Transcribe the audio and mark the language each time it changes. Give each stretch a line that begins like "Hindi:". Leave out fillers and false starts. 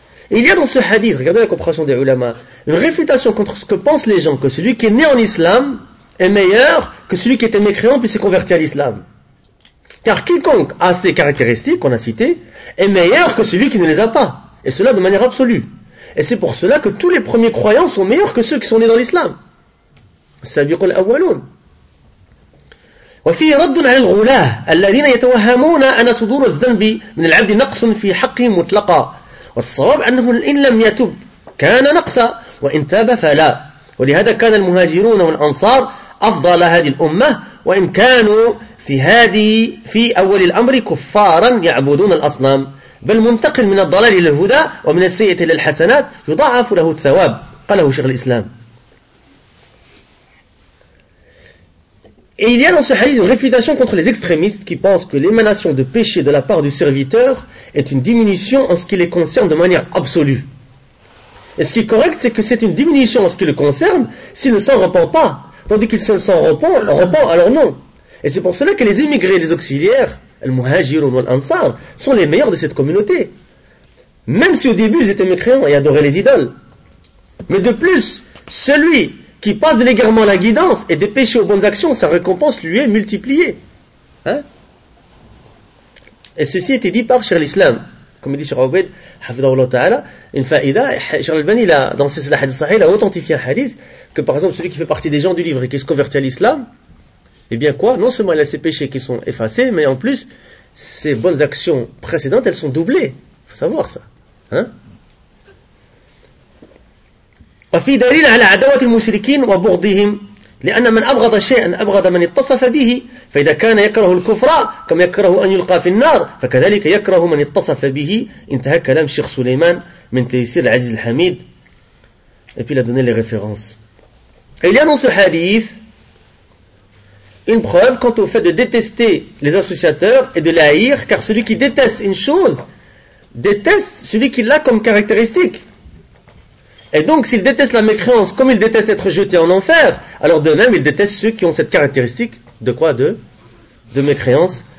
French: Il y a dans ce hadith, regardez la compréhension des ulama, une réfutation contre ce que pensent les gens, que celui qui est né en islam est meilleur que celui qui était mécréant puis s'est converti à l'islam. Car quiconque a ces caractéristiques qu'on a citées est meilleur que celui qui ne les a pas. Et cela de manière absolue. Et c'est pour cela que tous les premiers croyants sont meilleurs que ceux qui sont nés dans l'islam.
Arabic: Sabiqul awwalun. وفي رد على الغلاة الذين يتوهمون أن صدور الذنب من العبد نقص في حقه مطلقا والصواب أنه إن لم يتب كان نقصا وإن تاب فلا ولهذا كان المهاجرون والأنصار أفضل هذه الأمة وإن كانوا في هذه في أول الأمر كفارا يعبدون الأصنام بل منتقل من الضلال إلى الهدى ومن السيئة إلى الحسنات يضاعف له الثواب قاله شيخ الإسلام.
French: Et il y a dans ce hadith une réfutation contre les extrémistes qui pensent que l'émanation de péché de la part du serviteur est une diminution en ce qui les concerne de manière absolue. Et ce qui est correct, c'est que c'est une diminution en ce qui le concerne s'il ne s'en repent pas. Tandis qu'il s'en repent, alors non. Et c'est pour cela que les émigrés, les auxiliaires, les muhajirun ou les ansar, sont les meilleurs de cette communauté. Même si au début ils étaient mécréants et adoraient les idoles. Mais de plus, celui qui passe de l'égarement à la guidance et des péchés aux bonnes actions, sa récompense lui est multipliée. Hein? Et ceci était dit par Cheikh l'Islam. Comme il dit Cheikh Obed, Hafidahullah Ta'ala, une fa'ida, Cheikh al-Bani, dans ses hadiths sahih, il a authentifié un hadith que par exemple celui qui fait partie des gens du livre et qui se convertit à l'islam, eh bien quoi, non seulement il a ses péchés qui sont effacés, mais en plus, ses bonnes actions précédentes, elles sont doublées. Il faut savoir ça. Hein?
Arabic: وفي دليل على عداوة المشركين وبغضهم لأن من أبغض شيئا أبغض من اتصف به فإذا كان يكره الكفر كما يكره أن يلقى في النار فكذلك يكره من اتصف به انتهى كلام شيخ سليمان من تيسير العزيز الحميد
French: et puis il a donné les références. Il y a dans ce hadith une preuve quant au fait de détester les associateurs et de les haïr, car celui qui déteste une chose déteste celui qui l'a comme caractéristique. Et donc, s'il déteste la mécréance comme il déteste être jeté en enfer, alors de même, il déteste ceux qui ont cette caractéristique de quoi de mécréance.